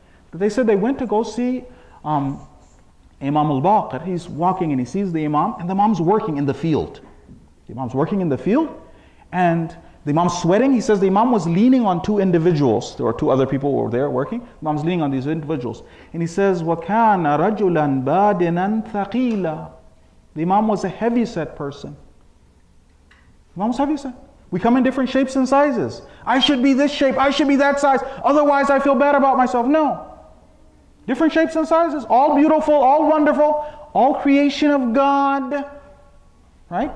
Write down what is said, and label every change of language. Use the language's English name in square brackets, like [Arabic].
[English] But they said they went to go see Imam al-Baqir. He's walking and he sees the Imam, and the Imam's working in the field. The Imam's working in the field, and the Imam's sweating. He says the Imam was leaning on two individuals. There were two other people who were there working. The Imam's leaning on these individuals. [Arabic] And he says, وَكَانَ رَجُلًا بَادِنًا ثَقِيلًا. [English] The Imam was a heavyset person. The Imam was heavyset. We come in different shapes and sizes. I should be this shape, I should be that size, otherwise I feel bad about myself. No. Different shapes and sizes, all beautiful, all wonderful, all creation of God. Right?